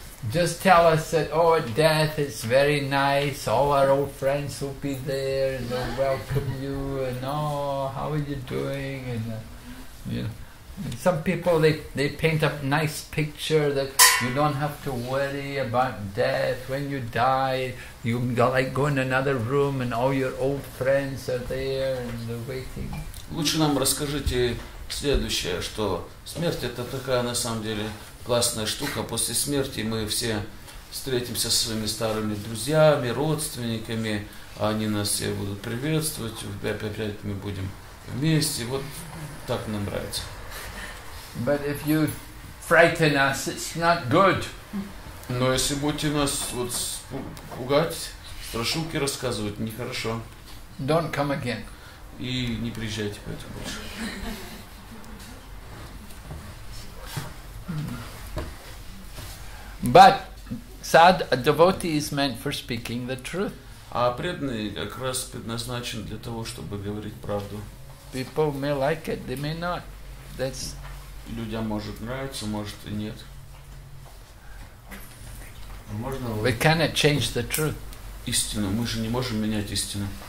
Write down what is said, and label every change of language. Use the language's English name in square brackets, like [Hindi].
[English] Just tell us that, oh, death is very nice, all our old friends will be there, and they'll welcome you, and oh, how are you doing, and and some people, they paint a nice picture that you don't have to worry about death. When you die, you go in another room, and all your old friends are there, and they're waiting. [Russian] Лучше нам расскажите следующее, что смерть это такая на самом деле классная штука. После смерти мы все встретимся со своими старыми друзьями, родственниками, они нас все будут приветствовать, опять мы будем вместе. Вот так нам нравится. [English] But if you frighten us, it's not good. [Russian] Но если будете нас вот пугать, страшилки рассказывать, нехорошо. [English] Don't come again. [Russian] И не приезжайте поэтому больше. [English] But sad a devotee is meant for speaking the truth. [Russian] А преданный как раз предназначен для того, чтобы говорить правду. [English] People may like it, they may not. That's [Russian] людям может нравиться, может и нет. Можно [English] we cannot change the truth. [Russian] Истину. Мы же не можем менять истину.